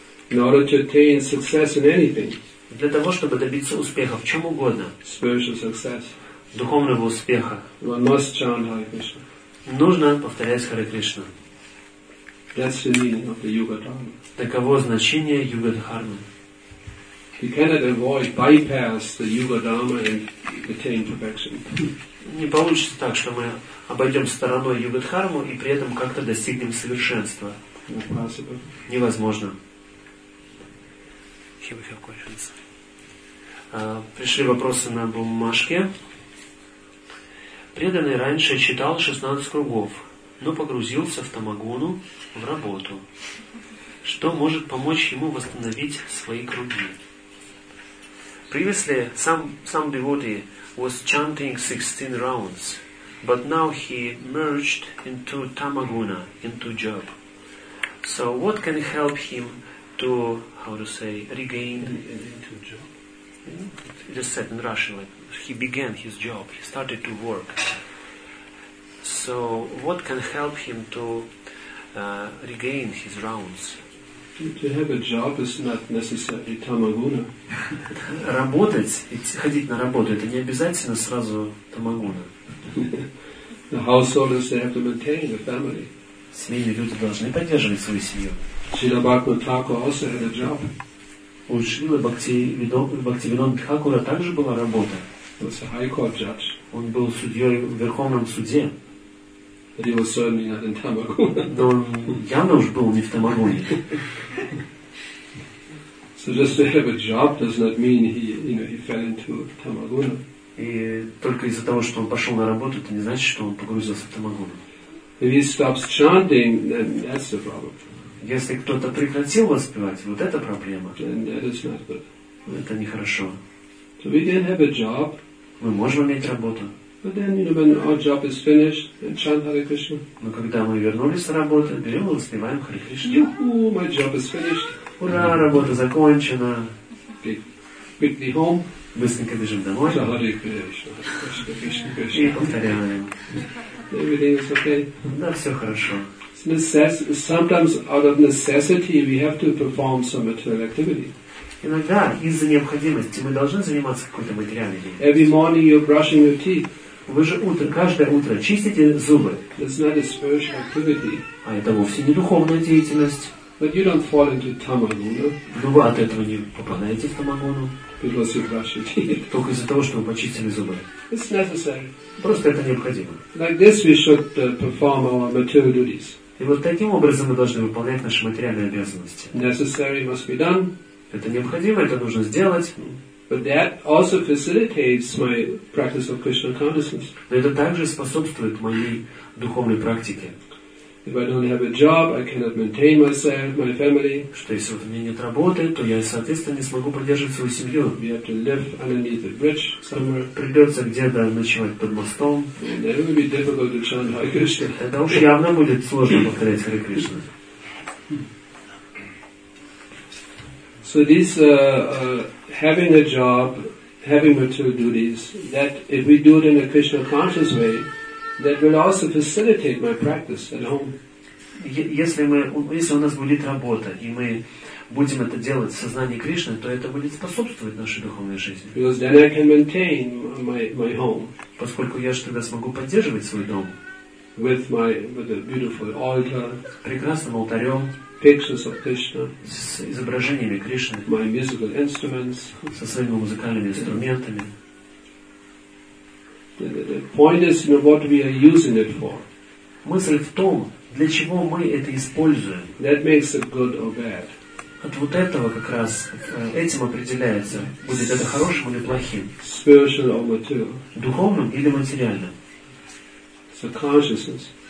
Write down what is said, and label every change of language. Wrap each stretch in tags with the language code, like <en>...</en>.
<en>In order to attain success in anything.</en> <ru>Для того, чтобы добиться успеха в чем угодно,</ru> <en>spiritual success.</en> <ru>Духовного успеха,</ru> <en>one must chant Hare Krishna.</en> <ru>Нужно повторять Харе Кришна.</ru> <en>That's the meaning of the Yuga Dharma.</en> <ru>Таково значение Юга Дхармы.</ru> <en>You cannot avoid, bypass the Yuga Dharma and attain perfection.</en> <ru>Не получится так, что мы обойдем стороной Юга Дхарму и при этом как-то достигнем совершенства.</ru> <en>Impossible.</en> <ru>Невозможно.</ru> <en>Here we have questions.</en> <ru>Пришли вопросы на бумажке. Преданный раньше читал 16 кругов, но погрузился в тамагуну, в работу. Что может помочь ему восстановить свои круги?</ru> <en>Previously, some devotee was chanting 16 rounds, but now he merged into tamaguna, into job. So what can help him to, how to say, regain into job. It is said in Russian, like he began his job, he started to work. So what can help him to regain his rounds? To have a job is not necessarily tamaguna.</en> <ru>Работать, ходить на работу, это не обязательно сразу тамагуна.</ru> <en>The householders, they have to maintain the family.</en> <ru>Семейные люди должны поддерживать свою семью.</ru> <en>Шрила Бхактивинода Тхакура also had a job.</en> <ru>У Шрилы Бхактивинода Тхакура также была работа.</ru> <en>He was a high court judge.</en> <ru>Он был судьей в Верховном суде.</ru> <en>But he was certainly not in Tamaguna.</en> <ru>Но явно уж был не в Тамагуне.</ru> <en>So just to have a job does not mean he, you know, he fell into Tamaguna.</en> <ru>И только из-за того, что он пошел на работу, это не значит, что он погрузился в Тамагуну.</ru> <en>If he stops chanting, then that's the problem.</en> <ru>Если кто-то прекратил воспевать, вот это проблема.</ru> <en>Then that is not good.</en> <ru>Это нехорошо.</ru> <en>So we can have a job.</en> <ru>Мы можем иметь работу.</ru> <en>But then, you know, when our job is finished, then chant Hare Krishna.</en> <ru>Но когда мы вернулись с работы, берем и воспеваем Хари Кришну.</ru> <en>Yuhu, my job is finished.</en> <ru>Ура, работа закончена.</ru> <en>Quickly home.</en> <ru>Быстренько бежим домой.</ru> <en>So Hare Krishna, Everything is okay.</en> <ru>Да, все хорошо.</ru> <en>Sometimes out of necessity we have to perform some material activity.</en> <ru>Иногда из-за необходимости мы должны заниматься какой-то материальной деятельностью.</ru> <en>Every morning you're brushing your teeth.</en> <ru>Вы же утро, каждое утро чистите зубы.</ru> <en>That's not a spiritual activity.</en> <ru>А это вовсе не духовная деятельность.</ru> <en>But you don't fall into tamaguna.</en> <ru>Но вы от этого не попадаете в тамагуну.</ru> <en>Because you brush your teeth.</en> <ru>Только из-за того, что вы почистили зубы.</ru> <en>It's necessary.</en> <ru>Просто это необходимо.</ru> <en>Like this we should perform our material duties.</en> <ru>И вот таким образом мы должны выполнять наши материальные обязанности.</ru> <en>Necessary must be done.</en> <ru>Это необходимо, это нужно сделать.</ru> <en>But that also facilitates my practice of Krishna consciousness.</en> <ru>Но это также способствует моей духовной практике.</ru> <en>If I don't have a job, I cannot maintain myself, my family.</en> <ru>Что если вот у меня нет работы, то я, соответственно, не смогу поддерживать свою семью.</ru> <en>We have to live underneath a bridge somewhere.</en> <ru>Придется где-то ночевать под мостом.</ru> <en>And that will be difficult to chant Hare Krishna.</en> <ru>Это уж явно будет сложно повторять Hare Krishna.</ru> <en>So this having a job, having material duties, that if we do it in a Krishna conscious way, that will also facilitate my practice at home.</en> <ru>Если у нас будет работа и мы будем это делать в сознании Кришны, то это будет способствовать нашей духовной жизни.</ru> <en>Because then I can maintain my home.</en> <ru>Поскольку я же тогда смогу поддерживать свой дом.</ru> <en>With a beautiful altar.</en> <ru>Прекрасным алтарем.</ru> <en>Pictures of Krishna,</en> <ru>с изображениями Кришны,</ru> <en>my musical instruments,</en> <ru>со своими музыкальными инструментами.</ru> <en>The point is, you know, what we are using it for.</en> <ru>Мысль в том, для чего мы это используем.</ru> <en>That makes it good or bad.</en> <ru>От вот этого как раз этим определяется, будет это хорошим или плохим.</ru> <en>Spiritual or material.</en> <ru>Духовным или материальным.</ru> <en>So consciousness.</en>